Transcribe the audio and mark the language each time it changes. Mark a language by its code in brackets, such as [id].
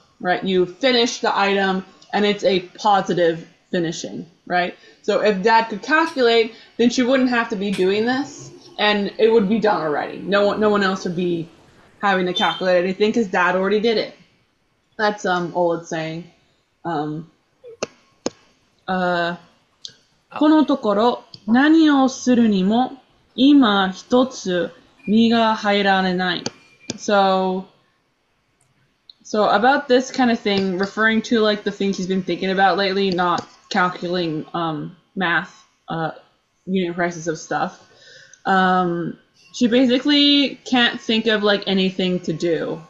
[en] Right, you finish the item. And it's a positive finishing, right? So if dad could calculate, then she wouldn't have to be doing this, and it would be done already. No one else would be having to calculate anything because dad already did it. That's all it's saying. [ja] このところ、何をするにも今一つ Miga hairanai. [en] So about this kind of thing, referring to like the things he's been thinking about lately, not calculating math, unit prices of stuff. She basically can't think of like anything to do.